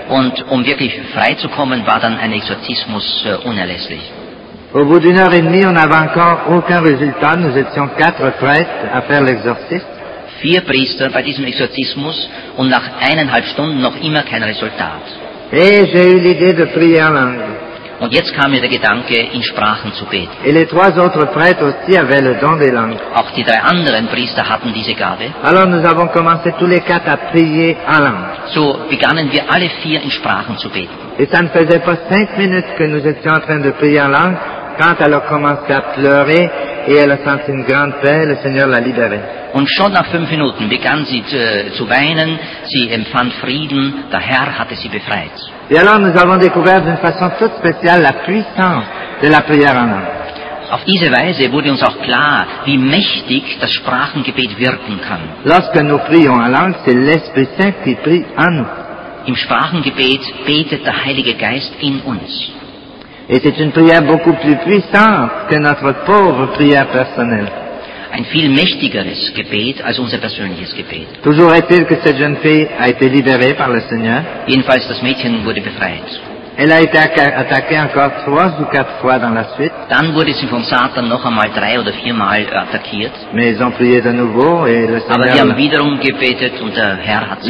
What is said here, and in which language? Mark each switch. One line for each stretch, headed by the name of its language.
German: Und um wirklich frei zu kommen, war dann ein Exorzismus unerlässlich.
French: Au bout d'une heure et demie, on n'avait encore aucun résultat. Nous étions quatre prêtres à faire l'exorcisme.
German: Vier Priester bei diesem Exorzismus und nach eineinhalb Stunden noch immer kein Resultat.
French: Et j'ai eu l'idée de prier en langue.
German: Und jetzt kam mir der Gedanke, in Sprachen zu beten.
French: Et les trois autres prêtres aussi avaient le don des langues.
German: Auch die drei anderen Priester hatten diese Gabe.
French: Alors nous avons commencé tous les quatre à prier en langue.
German: So begannen wir alle vier in Sprachen zu beten.
French: Et ça ne faisait pas cinq minutes que nous étions en train de prier en langue, quand elle a commencé à pleurer et elle a senti une grande paix, le Seigneur l'a libérée.
German: Und schon nach fünf Minuten begann sie zu weinen, sie empfand Frieden, der Herr hatte sie befreit.
French: Et alors nous avons découvert d'une façon toute spéciale la puissance de la prière en langue.
German: Auf diese Weise wurde uns auch klar, wie mächtig das Sprachengebet wirken kann.
French: Lorsque nous prions en langue, c'est l'Esprit Saint qui prie en nous.
German: Im Sprachengebet betet der Heilige Geist in uns.
French: Et c'est une prière beaucoup plus puissante que notre pauvre prière personnelle.
German: Ein viel mächtigeres Gebet als unser persönliches Gebet.
French: Toujours est-il que cette jeune fille a été libérée par le Seigneur.
German: Jedenfalls das Mädchen wurde befreit.
French: Elle a été attaquée encore trois ou quatre fois dans la suite.
German: Dann wurde sie von Satan noch einmal drei oder viermal attackiert.
French: Mais ils ont prié de nouveau et le Seigneur.
German: Aber sie haben wiederum gebetet und der Herr hat sie.